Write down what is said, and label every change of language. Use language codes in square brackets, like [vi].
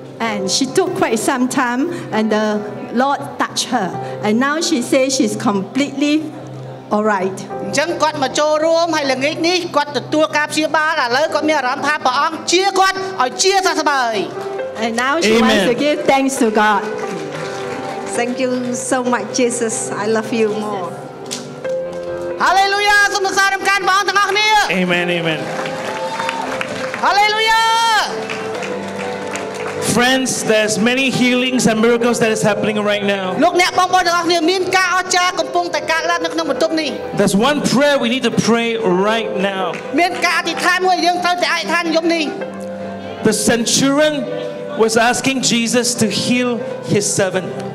[en] And she took quite some time and the Lord touched her and now she says she's completely all right [km] អញ្ចឹងគាត់មកចូលរួមហើយល្ងាចនេះគាត់ទទួលការព្យាបាលឥឡូវគាត់មានអារម្មណ៍ថាព្រះអង្គជាគាត់ឲ្យជាសះស្បើយ [en] And now she Amen. Wants to give thanks to God Thank you so much Jesus I love you more [km] Hallelujah សូមសរសើរកាន់បងទាំងអស់គ្នា [en] Amen amen Hallelujah Friends there's many healings and miracles that is happening right now [km] លោកអ្នកបងប្អូនទាំងអស់គ្នាមានការអស្ចារ្យកំពុងតែកើតឡើងនៅក្នុងបន្ទប់នេះ [en] There's one prayer we need to pray right now [km] មានការអធិដ្ឋានមួយយើងត្រូវតែអធិដ្ឋានយប់នេះ [en] The centurion was asking Jesus to heal his servant